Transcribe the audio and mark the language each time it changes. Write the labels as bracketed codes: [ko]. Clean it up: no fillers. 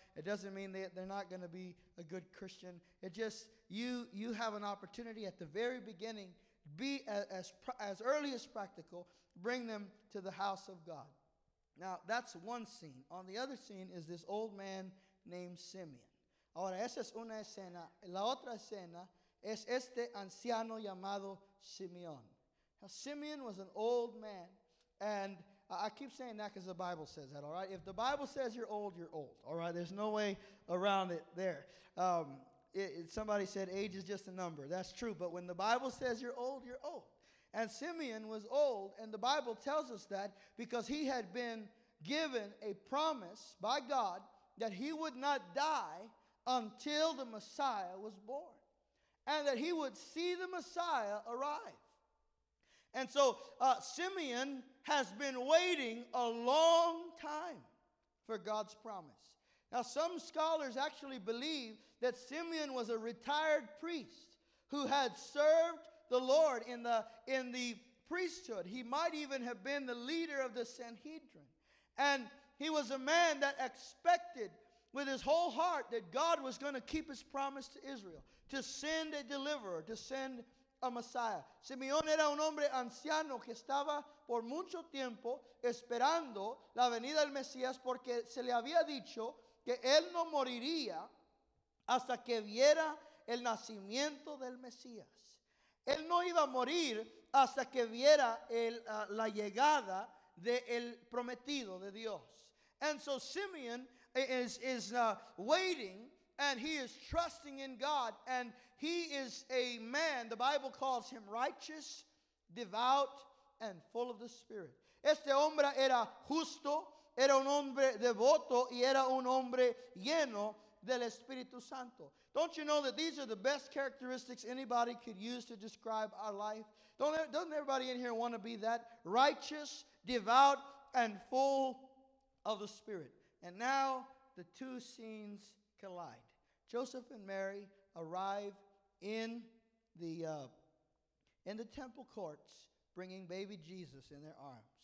[en] It doesn't mean they're not going to be a good Christian. It just, you have an opportunity at the very beginning. Be as early as practical. Bring them to the house of God. Now, that's one scene. On the other scene is this old man named Simeon. [es] Ahora, esa es una escena. La otra escena es este anciano llamado Simeon. [en] Now, Simeon was an old man, and I keep saying that because the Bible says that, all right? If the Bible says you're old, you're old, all right? There's no way around it there. Somebody said age is just a number. That's true. But when the Bible says you're old, you're old. And Simeon was old, and the Bible tells us that because he had been given a promise by God that he would not die until the Messiah was born, and that he would see the Messiah arrive. And so Simeon has been waiting a long time for God's promise. Now, some scholars actually believe that Simeon was a retired priest who had served the Lord in the priesthood. He might even have been the leader of the Sanhedrin. And he was a man that expected with his whole heart that God was going to keep his promise to Israel, to send a deliverer, to send a Messiah. [es] Simeón era un hombre anciano que estaba por mucho tiempo esperando la venida del Mesías, porque se le había dicho que él no moriría hasta que viera el nacimiento del Mesías. Él no iba a morir hasta que viera la llegada del prometido de Dios. [en] And so Simeón is waiting and he is trusting in God, and he is a man, the Bible calls him righteous, devout, and full of the Spirit. [es] Este hombre era justo, era un hombre devoto, y era un hombre lleno del Espíritu Santo. [en] Don't you know that these are the best characteristics anybody could use to describe our life? Doesn't everybody in here want to be that righteous, devout, and full of the Spirit? And now the two scenes collide. Joseph and Mary arrive in the temple courts, bringing baby Jesus in their arms.